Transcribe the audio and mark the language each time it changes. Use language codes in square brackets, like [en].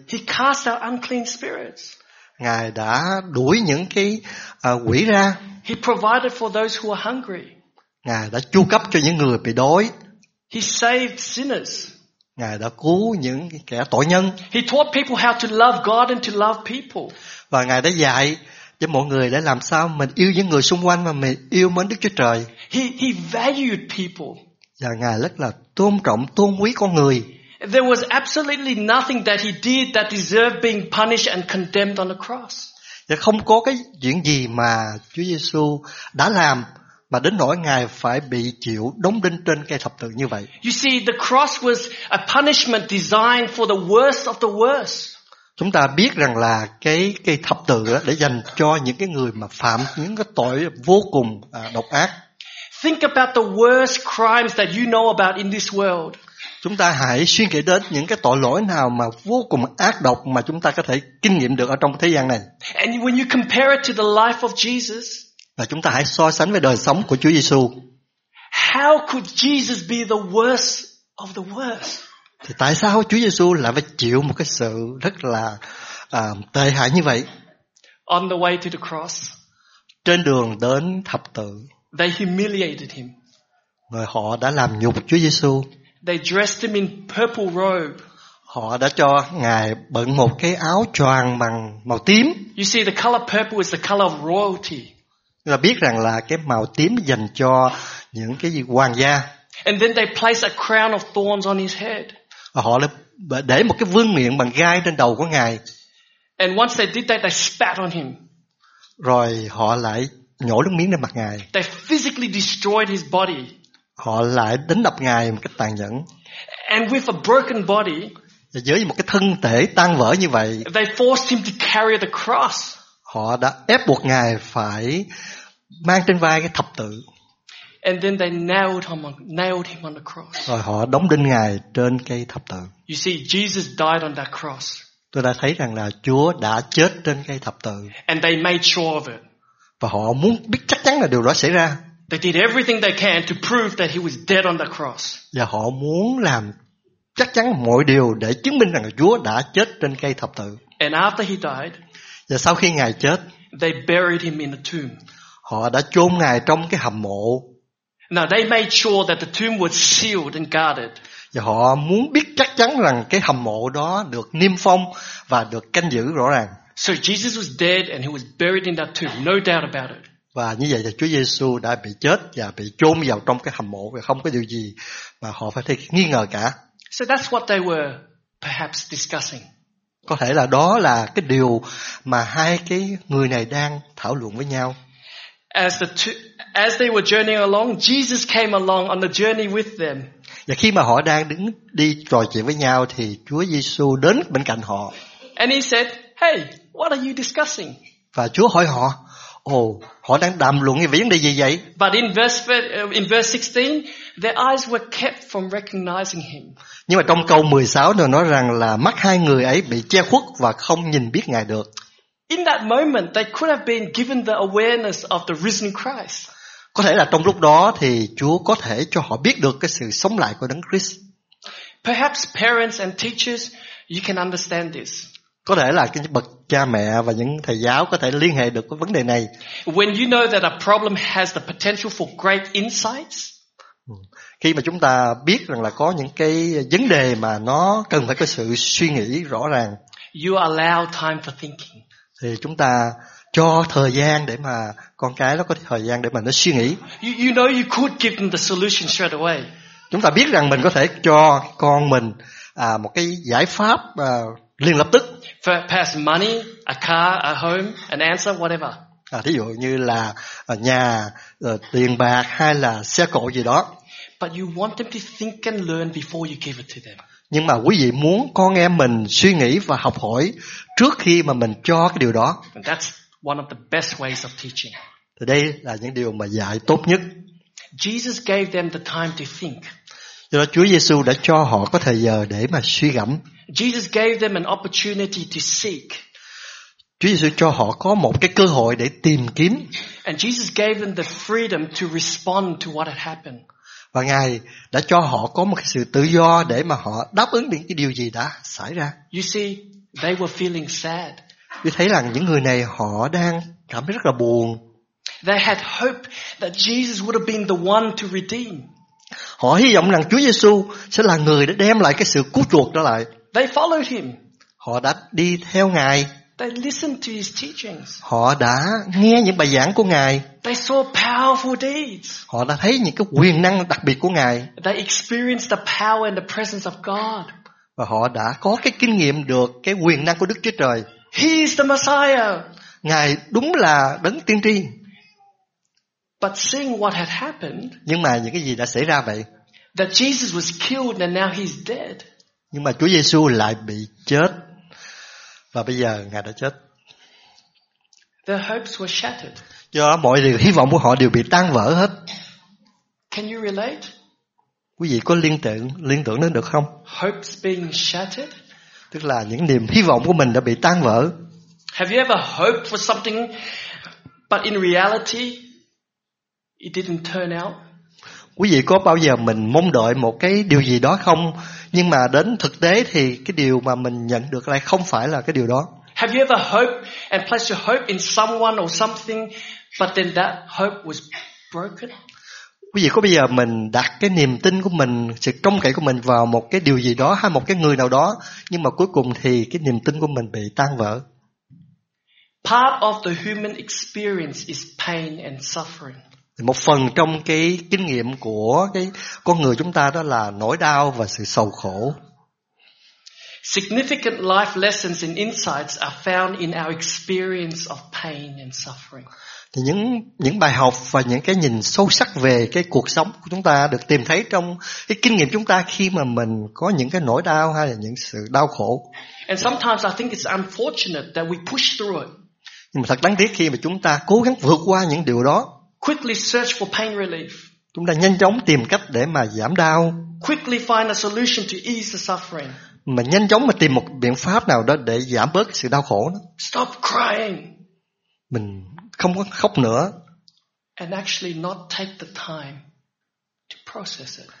[en] He cast out unclean spirits. [vi] Ngài đã đuổi những cái quỷ ra. [en] He provided for those who were hungry. [vi] Ngài đã chu cấp cho những người bị đói. [en] He saved sinners. [vi] Ngài đã cứu những kẻ tội nhân. [en] He taught people how to love God and to love people. [vi] Và Ngài đã dạy cho mọi người để làm sao mình yêu những người xung quanh mà mình yêu mến Đức Chúa Trời. [en] He valued people. [vi] Và Ngài rất là tôn trọng, tôn quý con người. [en] There was absolutely nothing that he did that deserved being punished and condemned on the cross. [vi] Và không có cái chuyện gì mà Chúa Giêsu đã làm mà đến nỗi Ngài phải bị chịu đóng đinh trên cây thập tự như vậy. [en] You see, the cross was a punishment designed for the worst of the worst. [vi] Chúng ta biết rằng là cái cây thập tự để dành cho những cái người mà phạm những cái tội vô cùng độc ác. [en] Think about the worst crimes that you know about in this world. [vi] Chúng ta hãy suy nghĩ đến những cái tội lỗi nào mà vô cùng ác độc mà chúng ta có thể kinh nghiệm được ở trong thế gian này. [en] And when you compare it to the life of Jesus, [vi] và chúng ta hãy so sánh với đời sống của Chúa Giêsu. [en] How could Jesus be the worst of the worst? [vi] Thì tại sao Chúa Giêsu lại phải chịu một cái sự rất là tệ hại như vậy? [en] On the way to the cross, [vi] trên đường đến thập tự, [en] they humiliated him. [vi] Người họ đã làm nhục Chúa Giêsu. [en] They dressed him in purple robe. [vi] Họ đã cho Ngài bận một cái áo choàng bằng màu tím. [en] You see, the color purple is the color of royalty. [vi] Là biết rằng là cái màu tím dành cho những cái gì hoàng gia. [en] And then they place a crown of thorns on his head. [vi] Và họ để một cái vương miện bằng gai trên đầu của Ngài. [en] And once they did that, they spat on him. [vi] Rồi họ lại nhổ nước miếng lên mặt Ngài. [en] They physically destroyed his body. [vi] Họ lại đánh đập Ngài một cách tàn nhẫn. [en] And with a broken body, [vi] với một cái thân thể tan vỡ như vậy, [en] they forced him to carry the cross. [vi] Họ đã ép buộc Ngài phải mang trên vai cái thập tự. [en] And then they nailed him on the cross. [vi] Rồi họ đóng đinh Ngài trên cây thập tự. [en] You see, Jesus died on that cross. [vi] Tôi đã thấy rằng là Chúa đã chết trên cây thập tự. [en] And they made sure of it. [vi] Và họ muốn biết chắc chắn là điều đó xảy ra. [en] They did everything they can to prove that he was dead on the cross. [vi] Và họ muốn làm chắc chắn mọi điều để chứng minh rằng là Chúa đã chết trên cây thập tự. [en] And after he died, [vi] và sau khi Ngài chết, [en] they buried him in a tomb. [vi] Họ đã chôn Ngài trong cái hầm mộ. [en] Now they made sure that the tomb was sealed and guarded. [vi] Và họ muốn biết chắc chắn rằng cái hầm mộ đó được niêm phong và được canh giữ rõ ràng. [en] So Jesus was dead and he was buried in that tomb, no doubt about it. [vi] Và như vậy là Chúa Giêsu đã bị chết và bị chôn vào trong cái hầm mộ và không có điều gì mà họ phải nghi ngờ cả. [en] So that's what they were perhaps discussing. [vi] Có thể là đó là cái điều mà hai cái người này đang thảo luận với nhau. [en] As they were journeying along, Jesus came along on the journey with them. [vi] Và khi mà họ đang đứng đi trò chuyện với nhau thì Chúa Giêsu đến bên cạnh họ. [en] And he said, "Hey, what are you discussing?" [vi] Và Chúa hỏi họ, "Oh, họ đang đàm luận về vấn đề gì vậy?" [en] But in verse 16, their eyes were kept from recognizing him. [vi] Nhưng mà trong câu 16 nó nói rằng là mắt hai người ấy bị che khuất và không nhìn biết Ngài được. [en] In that moment, they could have been given the awareness of the risen Christ. [vi] Có thể là trong lúc đó thì Chúa có thể cho họ biết được cái sự sống lại của Đấng Christ. [en] Perhaps parents and teachers, you can understand this. [vi] Có thể là những bậc cha mẹ và những thầy giáo có thể liên hệ được với vấn đề này. [en] When you know that a problem has the potential for great insights. [vi] Khi mà chúng ta biết rằng là có những cái vấn đề mà nó cần phải có sự suy nghĩ rõ ràng. [en] You allow time for thinking. [vi] Thì chúng ta cho thời gian để mà con cái nó có thời gian để mà nó suy nghĩ. [en] You know you could give them the solution straight away. [vi] Chúng ta biết rằng mình có thể cho con mình một cái giải pháp liền lập tức. [en] Perhaps money, a car, a home, an answer, whatever. [vi] Thí dụ như là nhà, tiền bạc hay là xe cộ gì đó. [en] But you want them to think and learn before you give it to them. [vi] Nhưng mà quý vị muốn con em mình suy nghĩ và học hỏi trước khi mà mình cho cái điều đó. [en] And that's one of the best ways of teaching. [vi] Thì đây là những điều mà dạy tốt nhất. [en] Jesus gave them the time to think. [vi] Do đó Chúa Giêsu đã cho họ có thời giờ để mà suy gẫm. [en] Jesus gave them an opportunity to seek. [vi] Chúa Giêsu cho họ có một cái cơ hội để tìm kiếm. [en] And Jesus gave them the freedom to respond to what had happened. [vi] Và Ngài đã cho họ có một sự tự do để mà họ đáp ứng những cái điều gì đã xảy ra. [en] You see, they were feeling sad. [vi] Tôi thấy rằng những người này họ đang cảm thấy rất là buồn. [en] They had hope that Jesus would have been the one to redeem. [vi] Họ hy vọng rằng Chúa Giêsu sẽ là người đã đem lại cái sự cứu chuộc trở lại. [en] They followed him. [vi] Họ đã đi theo Ngài. [en] They listened to his teachings. [vi] Họ đã nghe những bài giảng của Ngài. [en] They saw powerful deeds. [vi] Họ đã thấy những cái quyền năng đặc biệt của Ngài. [en] They experienced the power and the presence of God. [vi] Và họ đã có cái kinh nghiệm được cái quyền năng của Đức Chúa Trời. [en] He is the Messiah. [vi] Ngài đúng là đấng tiên tri. [en] But seeing what had happened. [vi] Nhưng mà những cái gì đã xảy ra vậy? [en] That Jesus was killed and now he's dead. [vi] Nhưng mà Chúa Giêsu lại bị chết. Và bây giờ Ngài đã chết. [en] Their hopes were shattered. [vi] Do đó mọi điều hy vọng của họ đều bị tan vỡ hết. [en] Can you relate? [vi] Quý vị có liên tưởng đến được không? [en] Hopes being shattered. [vi] Tức là những niềm hy vọng của mình đã bị tan vỡ. [en] Have you ever hoped for something but in reality it didn't turn out? [vi] Quý vị có bao giờ mình mong đợi một cái điều gì đó không? Nhưng mà đến thực tế thì cái điều mà mình nhận được lại không phải là cái điều đó. [en] Have you ever hoped and placed your hope in someone or something, but then that hope was broken? [vi] Quý vị có bây giờ mình đặt cái niềm tin của mình, sự trông cậy của mình vào một cái điều gì đó hay một cái người nào đó, nhưng mà cuối cùng thì cái niềm tin của mình bị tan vỡ? [en] Part of the human experience is pain and suffering. [vi] Một phần trong cái kinh nghiệm của cái con người chúng ta đó là nỗi đau và sự sầu khổ. [en] Significant life lessons and insights are found in our experience of pain and suffering. [vi] Thì những bài học và những cái nhìn sâu sắc về cái cuộc sống của chúng ta được tìm thấy trong cái kinh nghiệm chúng ta khi mà mình có những cái nỗi đau hay là những sự đau khổ. [en] And sometimes I think it's unfortunate that we push through it. [vi] Nhưng mà thật đáng tiếc khi mà chúng ta cố gắng vượt qua những điều đó. [en] Quickly search for pain relief. [vi] Chúng ta nhanh chóng tìm cách để mà giảm đau. [en] Quickly find a solution to ease the suffering. [vi] Mà nhanh chóng mà tìm một biện pháp nào đó để giảm bớt sự đau khổ đó. [en] Stop crying. [vi] Mình không có khóc nữa. [en] And actually not take the time to process it.